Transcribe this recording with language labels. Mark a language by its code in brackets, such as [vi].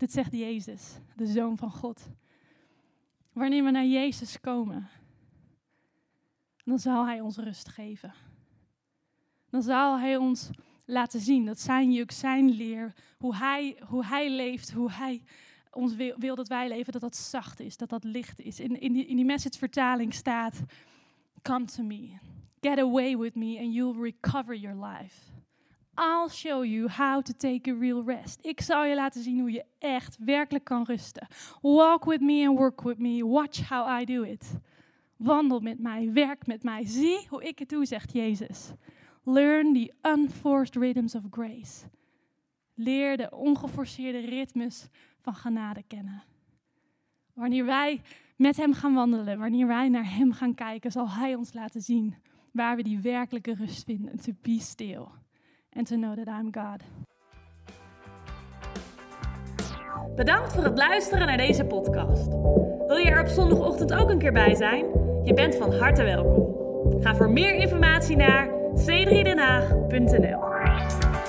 [nl] Dit zegt Jezus, de Zoon van God. Wanneer we naar Jezus komen, dan zal hij ons rust geven. Dan zal hij ons laten zien dat zijn juk, zijn leer, hoe hij leeft, hoe hij ons wil dat wij leven, dat zacht is, dat licht is. In die Message vertaling staat, [en] come to me, get away with me and you'll recover your life. I'll show you how to take a real rest. [nl] Ik zal je laten zien hoe je echt werkelijk kan rusten. [en] Walk with me and work with me. Watch how I do it. [nl] Wandel met mij, werk met mij. Zie hoe ik het doe, zegt Jezus. [en] Learn the unforced rhythms of grace. [nl] Leer de ongeforceerde ritmes van genade kennen. Wanneer wij met hem gaan wandelen, wanneer wij naar hem gaan kijken, zal hij ons laten zien waar we die werkelijke rust vinden. [en] To be still and to know that I'm God. [nl] Bedankt voor het luisteren naar deze podcast. Wil je er op zondagochtend ook een keer bij zijn? Je bent van harte welkom. Ga voor meer informatie naar c3denhaag.nl.